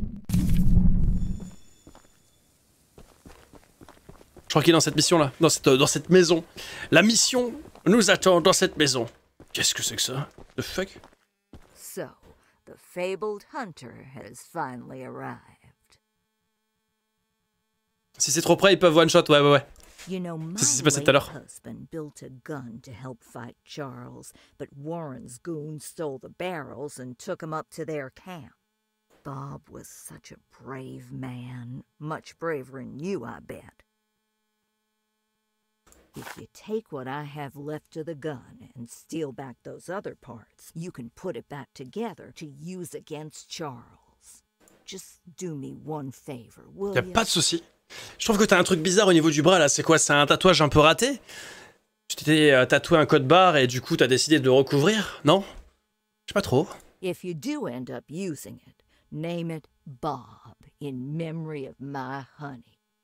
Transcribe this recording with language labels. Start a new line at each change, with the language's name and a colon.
French: Je crois qu'il est dans cette mission là, dans cette maison. La mission nous attend dans cette maison. Qu'est-ce que c'est que ça?
English: The fuck? So, the fabled hunter has finally arrived.
French: Si c'est trop près, ils peuvent one-shot, ouais.
English: You know,
French: c'est ce qui s'est passé tout à l'heure.
English: Mon husband built a gun to help fight Charles, but Warren's goons stole the barrels and took them up to their camp. Bob was such a brave man, much braver than you, I bet. If you take what I have left of the gun and steal back those other parts, you can put it back together to use against Charles. Just do me one favor, will
French: you? Y'a pas de souci. Je trouve que t'as un truc bizarre au niveau du bras là, c'est quoi? C'est un tatouage un peu raté? Tu t'étais tatoué un code barre et du coup t'as décidé de le recouvrir, non? Je sais pas trop.
English: If you do end up using it, name it Bob in memory of my honey.